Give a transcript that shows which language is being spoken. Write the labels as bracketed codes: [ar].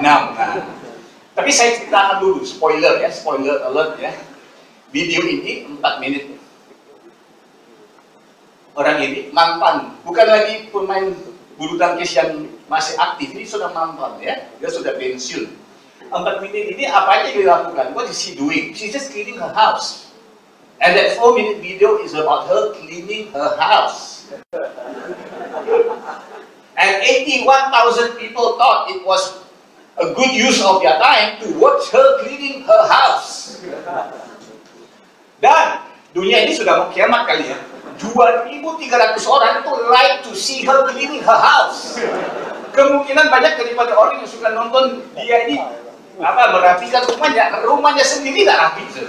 [id] Nah, tapi saya ceritakan dulu, spoiler ya, spoiler alert ya. Video ini 4 menit. Orang ini mantan, bukan lagi pemain bulu tangkis yang masih aktif, ini sudah mantan ya, dia sudah pensiun. 4 menit ini apa aja yang dilakukan? [en] What is she doing? She's just cleaning her house. And that 4 minute video is about her cleaning her house. And 81,000 people thought it was a good use of their time to watch her cleaning her house. [id] Dan dunia ini sudah mau kiamat kali ya. [en] 2,300 [id] orang itu [en] like to see her cleaning her house. [id] Kemungkinan banyak daripada orang yang suka nonton dia ini apa merapikan rumahnya. Rumahnya sendiri tidak rapi.